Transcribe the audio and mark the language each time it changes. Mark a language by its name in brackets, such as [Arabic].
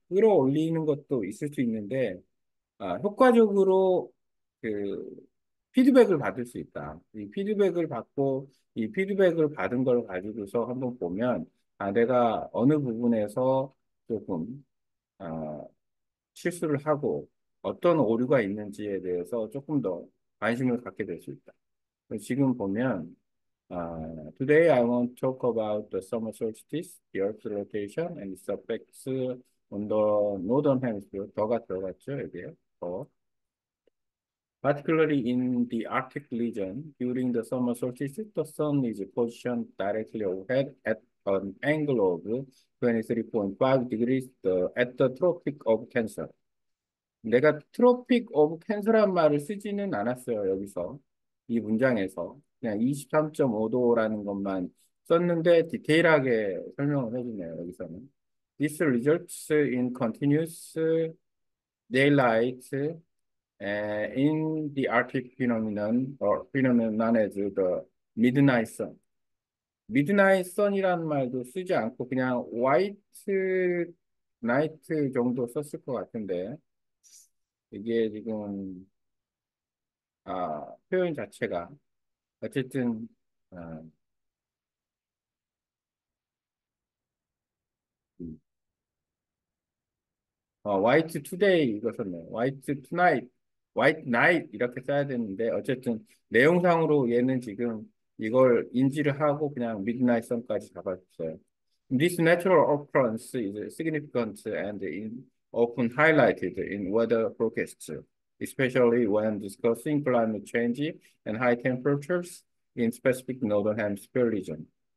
[Korean] 끌어올리는 것도 있을 수 있는데, 효과적으로 그 피드백을 받을 수 있다. 이 피드백을 받고, 이 피드백을 받은 걸 가지고서 한번 보면, 내가 어느 부분에서 조금 실수를 하고 어떤 오류가 있는지에 대해서 조금 더 관심을 갖게 될수 있다. 지금 보면, [English] Today I want to talk about the summer solstice, the Earth's rotation, and its effects on the northern hemisphere. [Korean] 더가 들어갔죠, 여기에. 더. [English] Particularly in the Arctic region, during the summer solstice, the sun is positioned directly overhead at an angle of 23.5 degrees at the Tropic of Cancer. [Korean] 내가 Tropic of Cancer란 말을 쓰지는 않았어요, 여기서. 이 문장에서. 그냥 23.5도라는 것만 썼는데 디테일하게 설명을 해주네요, 여기서는. [English] This results in continuous daylight in the Arctic phenomenon, or phenomenon as the midnight sun. [Korean] Midnight sun이라는 말도 쓰지 않고 그냥 white night 정도 썼을 것 같은데, 이게 지금, 표현 자체가. 어쨌든, 화이트 투데이 이거 썼네. 화이트 투나잇, 화이트 나잇 이렇게 써야 되는데, 어쨌든 내용상으로 얘는 지금 이걸 인지를 하고 그냥 미드나잇 선까지 잡아줬어요. [English] This natural occurrence is significant and often highlighted in weather forecasts, especially when discussing climate change and high temperatures in specific northern hemisphere region.